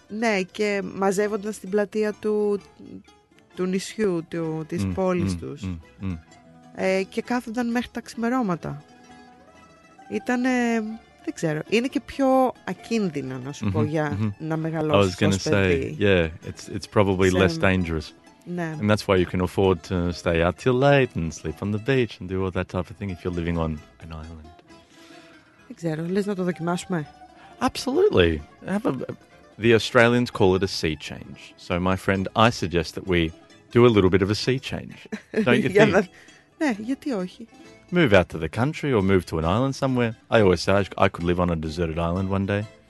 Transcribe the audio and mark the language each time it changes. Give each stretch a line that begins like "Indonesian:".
Greek: Ναι, και μαζεύονταν στην πλατεία του νησιού, της πόλης τους. Και κάθονταν μέχρι τα ξημερώματα. Ήτανε, δεν ξέρω, είναι και πιο ακίνδυνα, να σου πω, για να μεγαλώσεις ως παιδί.
English: I was gonna say, it's probably less dangerous.
Greek: Ναι.
English: And that's why you can afford to stay out till late and sleep on the beach and do all that type of thing if you're living on an island.
Greek: Δεν ξέρω, λες να το δοκιμάσουμε?
English: Absolutely. The Australians call it a sea change. So my friend, I suggest that we do a little bit of a sea change. Don't you think?
Greek: Ναι, γιατί όχι.
English: Move out to the country or move to an island somewhere. I always say I could live on a deserted island one day.